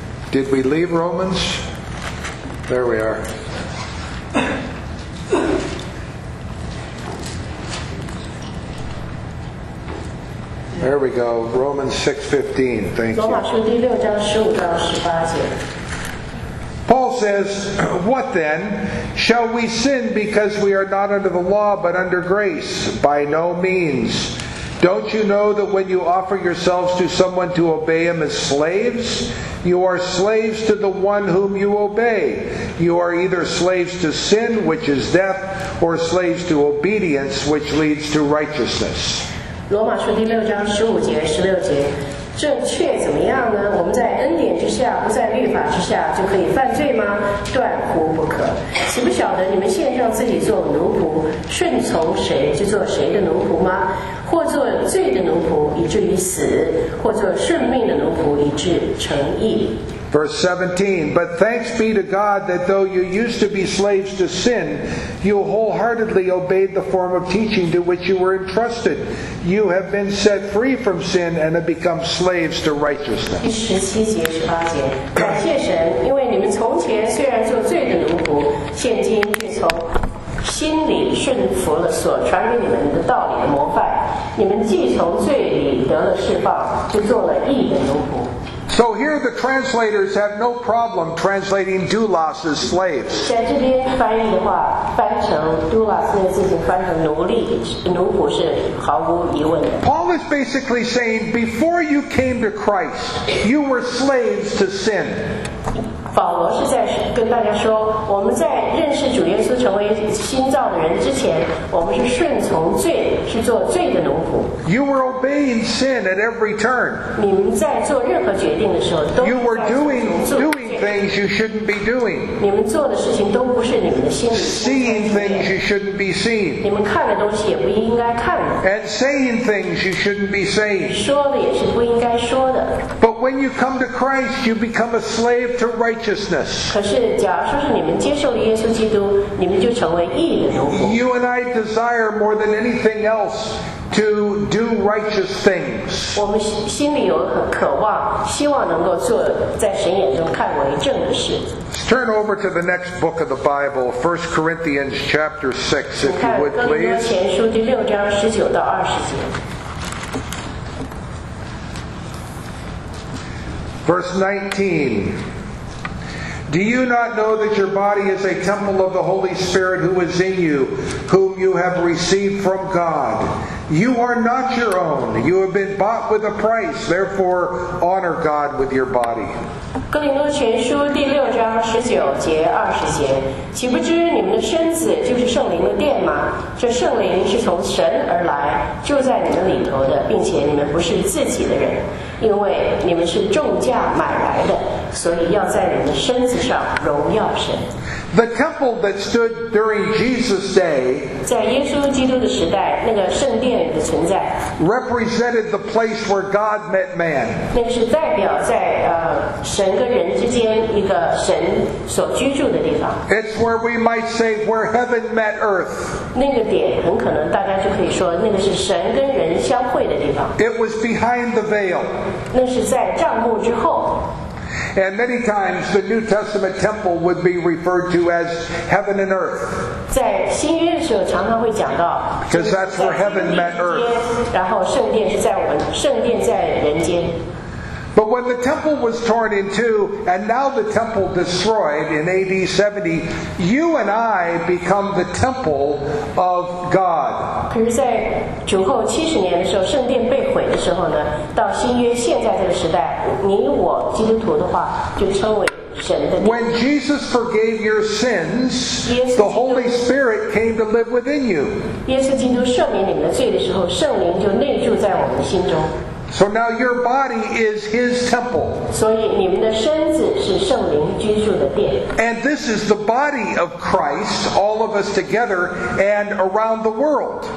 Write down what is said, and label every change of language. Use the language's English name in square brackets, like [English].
[English] Did we leave Romans? There we are. 6:15. Thank you. [Chinese] 罗马书第六章十五到十八节。 [English] Paul says, what then? Shall we sin because we are not under the law but under grace? By no means. Don't you know that when you offer yourselves to someone to obey him as slaves, you are slaves to the one whom you obey. You are either slaves to sin, which is death, or slaves to obedience, which leads to righteousness. [Chinese] 罗马书第六章十五节十六节这却怎么样呢？我们在恩典之下，不在律法之下，就可以犯罪吗？断乎不可。岂不晓得你们献上自己做奴仆，顺从谁就做谁的奴仆吗？或做罪的奴仆，以至于死；或做顺命的奴仆，以致成义。 [English] Verse 17, but thanks be to God that though you used to be slaves to sin, you wholeheartedly obeyed the form of teaching to which you were entrusted. You have been set free from sin and have become slaves to righteousness. [Chinese] 第十七节、十八节，感谢神，因为你们从前虽然做罪的奴仆，现今却从心里顺服了所传给你们的道理的模范，你们既从罪里得了释放，就做了义的奴仆。 [English] So here the translators have no problem translating doulos as slaves. [Chinese] 在这边翻译的话，翻成 doulos 这个事情翻成奴隶、奴仆是毫无疑问的。 [English] Paul is basically saying, before you came to Christ, you were slaves to sin. [Chinese] 保罗是在跟大家说，我们在认识主耶稣成为新造的人之前，我们是顺从罪，是做罪的奴仆。 [English] You were obeying sin at every turn. [Chinese] 你们在做任何决定的时候，都在 [English] You were doing things you shouldn't be doing. [Chinese] 你们做的事情都不是你们的心里。 [English] Seeing things you shouldn't be seeing. [Chinese] 你们看的东西也不应该看的。 [English] And saying things you shouldn't be saying. [Chinese] 说的也是不应该说的。 [English] But when you come to Christ, you become a slave to righteousness. [Chinese] 可是，假如说是你们接受了耶稣基督，你们就成为义的奴仆。 [English] You and I desire more than anything else. To do righteous things. [Chinese] 我们心里有很渴望，希望能够做在神眼中看为正的事。 [English] Let's turn over to the next book of the Bible, 1 Corinthians chapter 6, if you would please. [Chinese] 看《哥林多前书》第六章十九到二十节。 [English] Verse 19. Do you not know that your body is a temple of the Holy Spirit who is in you, whom you have received from God? You are not your own. You have been bought with a price. Therefore, honor God with your body. [Chinese] 哥林多前书第六章十九节二十节，岂不知你们的身子就是圣灵的殿吗？这圣灵是从神而来，住在你们里头的，并且你们不是自己的人，因为你们是重价买来的，所以要在你们的身子上荣耀神。 [English] The temple that stood during Jesus' day represented the place where God met man. [Chinese] 那个是代表在神跟人之间一个神所居住的地方。 [English] It's where we might say where heaven met earth. [Chinese] 那个点很可能大家就可以说那个是神跟人相会的地方。 [English] It was behind the veil. [Chinese] 那是在帐幕之后。 [English] And many times the New Testament temple would be referred to as heaven and earth. [Chinese] 在新约的时候常常会讲到 [English] Because that's where heaven met earth. [Chinese] 然后圣殿是在我们圣殿在人间。 [English] But when the temple was torn in two, and now the temple destroyed in AD 70, you and I become the temple of God. [Chinese] 可是在主后七十年的时候，圣殿被毁的时候呢，到新约现在这个时代，你我基督徒的话，就称为。 [English] When Jesus forgave your sins, the Holy Spirit came to live within you. [Chinese] 耶稣基督赦免你们的罪的时候，圣灵就内住在我们的心中。 [English] So now your body is His temple. [Chinese] 所以你们的身子是圣灵居住的殿。 [English] And this is the body of Christ, all of us together and around the world.